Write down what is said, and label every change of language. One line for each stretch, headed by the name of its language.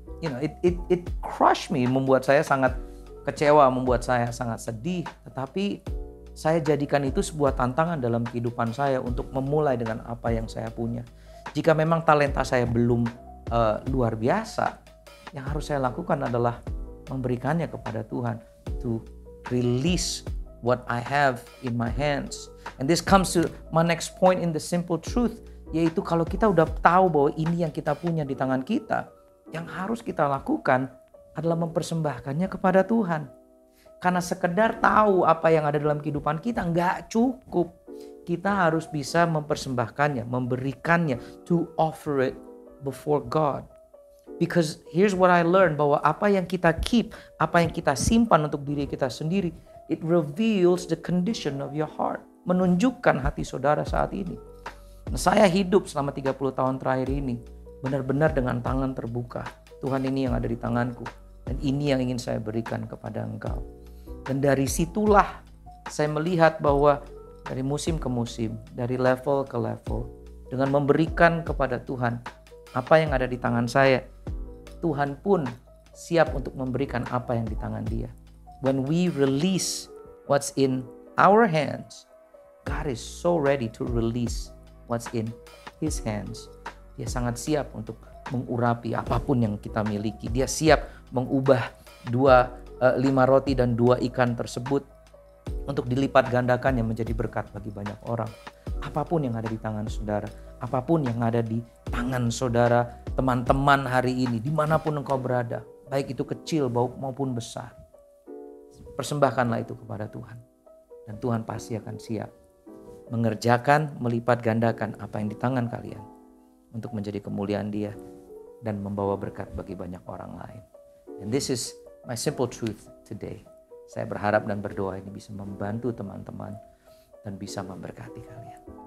English: You know, it crushed me,
Indonesian: membuat saya sangat kecewa, membuat saya sangat sedih. Tetapi saya jadikan itu sebuah tantangan dalam kehidupan saya untuk memulai dengan apa yang saya punya. Jika memang talenta saya belum luar biasa, yang harus saya lakukan adalah memberikannya kepada Tuhan.
English: To release what I have in my hands. And this comes to my next point in the simple truth.
Indonesian: Yaitu kalau kita udah tahu bahwa ini yang kita punya di tangan kita, yang harus kita lakukan adalah mempersembahkannya kepada Tuhan. Karena sekedar tahu apa yang ada dalam kehidupan kita, nggak cukup. Kita harus bisa mempersembahkannya, memberikannya,
English: to offer it before God. Because here's what I learned,
Indonesian: bahwa apa yang kita keep, apa yang kita simpan untuk diri kita sendiri,
English: it reveals the condition of your heart,
Indonesian: menunjukkan hati saudara saat ini. Nah, saya hidup selama 30 tahun terakhir ini, benar-benar dengan tangan terbuka. Tuhan, ini yang ada di tanganku, dan ini yang ingin saya berikan kepada engkau. Dan dari situlah saya melihat bahwa dari musim ke musim, dari level ke level, dengan memberikan kepada Tuhan apa yang ada di tangan saya, Tuhan pun siap untuk memberikan apa yang di tangan dia.
English: When we release what's in our hands, God is so ready to release what's in His hands.
Indonesian: Dia sangat siap untuk mengurapi apapun yang kita miliki. Dia siap mengubah 5 roti dan 2 ikan tersebut untuk dilipat gandakan yang menjadi berkat bagi banyak orang. Apapun yang ada di tangan saudara, apapun yang ada di tangan saudara, teman-teman hari ini, dimanapun engkau berada, baik itu kecil maupun besar, persembahkanlah itu kepada Tuhan. Dan Tuhan pasti akan siap mengerjakan, melipat gandakan apa yang di tangan kalian untuk menjadi kemuliaan dia dan membawa berkat bagi banyak orang lain.
English: And this is my simple truth today.
Indonesian: Saya berharap dan berdoa ini bisa membantu teman-teman dan bisa memberkati kalian.